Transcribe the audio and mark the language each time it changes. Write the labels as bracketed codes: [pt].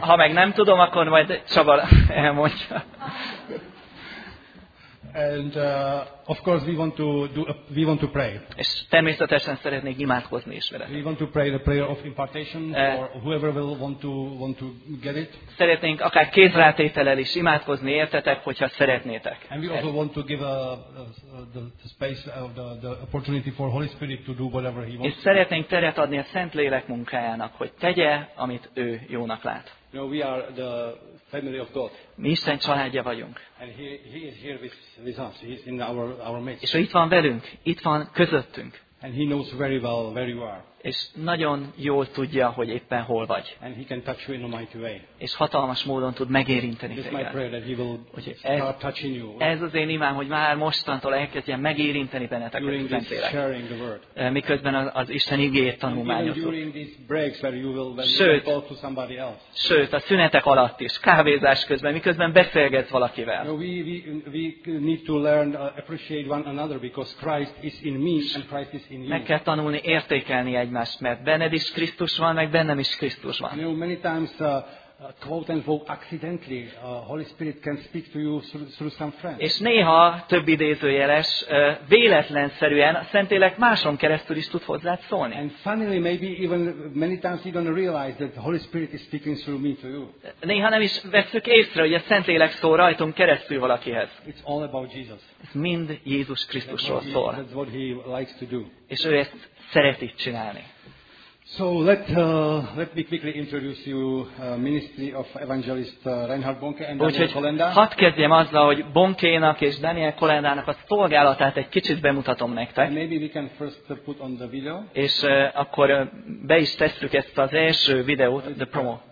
[hu] Ha meg nem tudom, akkor majd Csaba elmondja. [en] And of course we want to pray. [hu] És természetesen szeretnék imádkozni is veletek. [en] We want to pray the prayer of impartation or whoever will want to get it. [hu] Szeretnénk akár kézrátétellel is imádkozni értetek, hogyha szeretnétek. [en] And we also want to give the space of the opportunity for Holy Spirit to do whatever he wants. [hu] És szeretnénk teret adni a Szentlélek munkájának, hogy tegye, amit ő jónak lát. [en] You know, we are the family of God. [hu] Mi Isten családja vagyunk. [en] And he is here with us. He is in our midst. [hu] És ő itt van velünk, itt van közöttünk. [en] And he knows very well where you are. [hu] És nagyon jól tudja, hogy éppen hol vagy. [en] And he can touch you in a mighty way. [hu] És hatalmas módon tud megérinteni téged. [en] This is my prayer that he will start touching you. [hu] Ez az én imám, hogy már mostantól elkezdjen megérinteni benneteket. [en] During this sharing the word. [hu] Miközben az Isten igéjét tanulmányozunk. [en] During these breaks where you will talk to somebody else. [hu] Sőt, a szünetek alatt is, kávézás közben, miközben beszélgetsz valakivel. [en] No, we need to learn appreciate one another because Christ is in me and Christ is in you. [hu] Meg kell tanulni értékelni egymást, mert benned is Krisztus van, meg bennem is Krisztus van. [en] You know, many times, quote and quote, accidentally, Holy Spirit can speak to you through some friend. [hu] És néha, több idézőjeles, véletlenszerűen a Szentlélek máson keresztül is tud hozzád szólni. [en] And finally, maybe even many times you don't realize that the Holy Spirit is speaking through me to you. [hu] Néha nem is vesszük észre, hogy a Szentlélek szól rajtunk keresztül valakihez. [en] It's all about Jesus. [hu] Ez mind Jézus Krisztusról [en] that's [hu] szól. [en] That's what he likes to do. [hu] És ő ezt szeretik csinálni. [en] So let me quickly introduce you ministry of evangelist Reinhard Bonnke and Daniel Kolenda. [hu] Hadd kezdjem azzal, hogy Bonnkénak és Daniel Kolendának a szolgálatát egy kicsit bemutatom nektek. [en] And maybe we can first put on the video. [hu] És akkor be is tesszük ezt az első videót, [en] the promo.